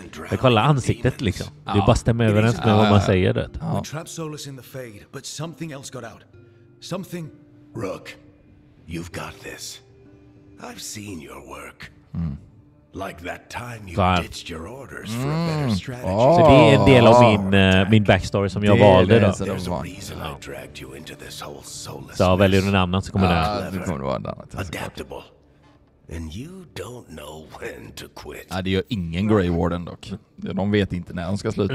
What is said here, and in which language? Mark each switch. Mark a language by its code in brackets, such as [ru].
[sv] Jag kollar ansiktet liksom. Ja. Det bara stämmer överens med vad man säger det. Ja. [en] We trapped Solus in the fade, but something else got out. Something... Rook, you've got this. I've seen your work. Like that time you ditched your orders for a better strategy. Oh. [sv] Så det är en del av min, min backstory som jag valde då. [en] There's a reason I dragged you into this whole Solus. [sv] Så väljer du en annan så kommer det här. Det kommer vara en annan. [en] Adaptable. And you don't know when to quit. [sv] Ja, det gör ingen Grey Warden dock. De vet inte när de ska sluta.